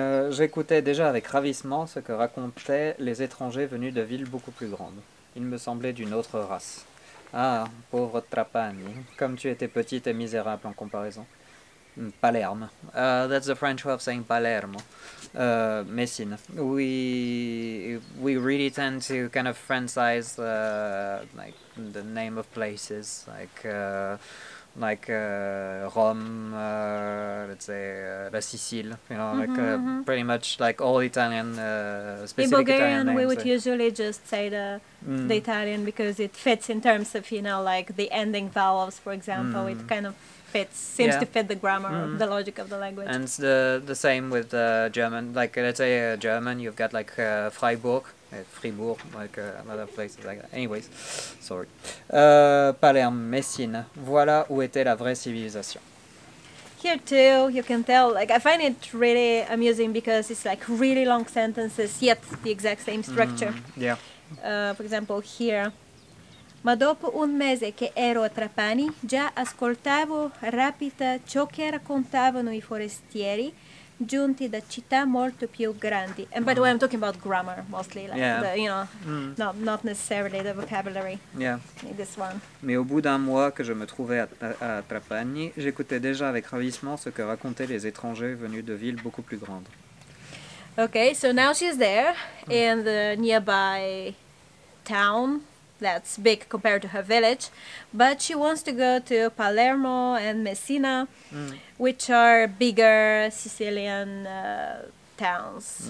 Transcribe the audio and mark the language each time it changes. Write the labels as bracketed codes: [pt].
[fr] J'écoutais déjà avec ravissement ce que racontaient les étrangers venus de villes beaucoup plus grandes. Ils me semblaient d'une autre race. Ah, pauvre Trapani, comme tu étais petite et misérable en comparaison. [en] Palerme. That's the French way of saying Palermo. Messine. We really tend to kind of francize like the name of places, like Rome, let's say La Sicile, you know, pretty much like all Italian, specific in Bulgarian, Italian names. We would usually just say the Italian because it fits in terms of, you know, like the ending vowels, for example. It kind of seems to fit the grammar, the logic of the language. And it's the same with German, like let's say German, you've got like Freiburg. Fribourg, like another place like that. Anyways, sorry. [fr] Palerme, Messine, voilà où était la vraie civilisation. [en] Here too, you can tell, like, I find it really amusing because it's like really long sentences, yet the exact same structure. For example, here. [it] Ma dopo un mese che ero a Trapani, già ascoltavo rapita ciò che raccontavano I forestieri giunti da città molto più grandi. [en] And by the way, I'm talking about grammar mostly, like not necessarily the vocabulary. Yeah. This one. [fr] Mais au bout d'un mois que je me trouvais à Trapani, j'écoutais déjà avec ravissement ce que racontaient les étrangers venus de villes beaucoup plus grandes. [en] Okay, so now she's there in the nearby town that's big compared to her village, but she wants to go to Palermo and Messina, which are bigger Sicilian towns.